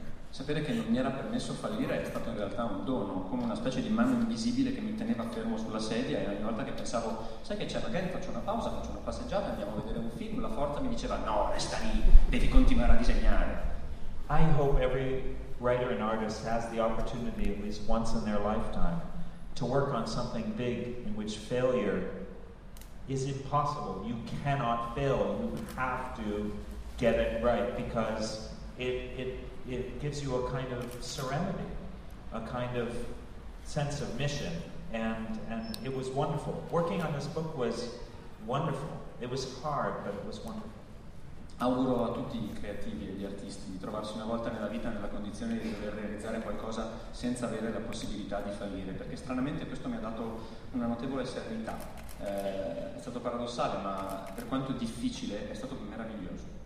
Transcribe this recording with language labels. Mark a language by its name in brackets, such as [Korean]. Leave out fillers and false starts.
[Italian] Sapere che non mi era permesso fallire è stato in realtà un dono, come una specie di mano invisibile che mi teneva fermo sulla sedia, e ogni volta che pensavo, sai che c'è, magari faccio una pausa, faccio una passeggiata, andiamo a vedere un film, la forza mi diceva, no, resta lì, devi continuare a disegnare. [English] I hope every writer and artist has the opportunity at least once in their lifetime to work on something big in which failure is impossible. You cannot fail. You have to get it right, because it gives you a kind of serenity, a kind of sense of mission, and it was wonderful. Working on this book was wonderful. It was hard, but it was wonderful. [Italian] Auguro a tutti i creativi e gli artisti di trovarsi una volta nella vita nella condizione di dover realizzare qualcosa senza avere la possibilità di fallire, perché stranamente questo mi ha dato una notevole serenità. È stato paradossale, ma per quanto difficile è stato meraviglioso.